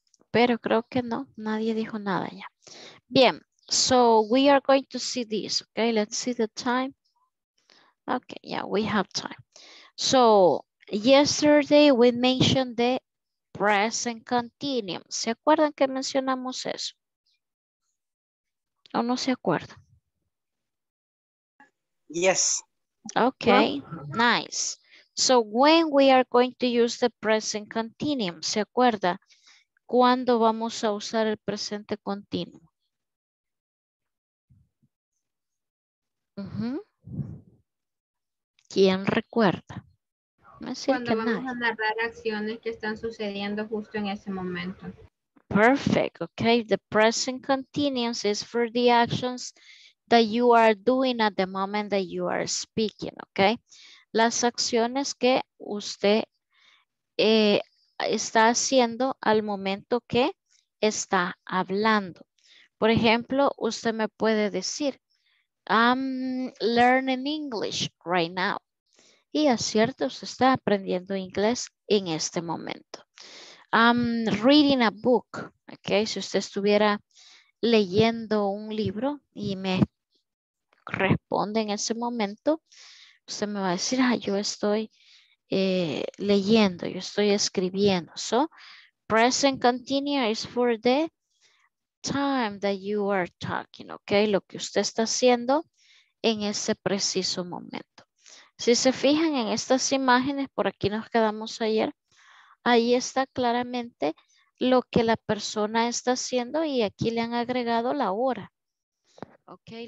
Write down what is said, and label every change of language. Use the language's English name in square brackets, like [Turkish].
[Spanish] Pero creo que no, nadie dijo nada ya. [English] Bien, so we are going to see this. Okay, let's see the time. Okay, yeah, we have time. So yesterday we mentioned the present continuum. [Spanish] ¿Se acuerdan que mencionamos eso? ¿O no se acuerdan? [English] Yes. Okay, nice. So when we are going to use the present continuum, [Spanish] ¿se acuerda? ¿Cuándo vamos a usar el presente continuo? ¿Quién recuerda? Cuando vamos a narrar acciones que están sucediendo justo en ese momento. [English] Perfect, okay. The present continuous is for the actions that you are doing at the moment that you are speaking, okay? [Spanish] Las acciones que usted está haciendo al momento que está hablando. Por ejemplo, usted me puede decir, [English] I'm learning English right now. [Spanish] Y es cierto, usted está aprendiendo inglés en este momento. [English] I'm reading a book. Okay, [Spanish] si usted estuviera leyendo un libro y me responde en ese momento, usted me va a decir, ah, yo estoy leyendo, yo estoy escribiendo. [English] So, present continuous is for the time that you are talking, okay? [Spanish] Lo que usted está haciendo en ese preciso momento. Si se fijan en estas imágenes, por aquí nos quedamos ayer, ahí está claramente lo que la persona está haciendo y aquí le han agregado la hora, okay?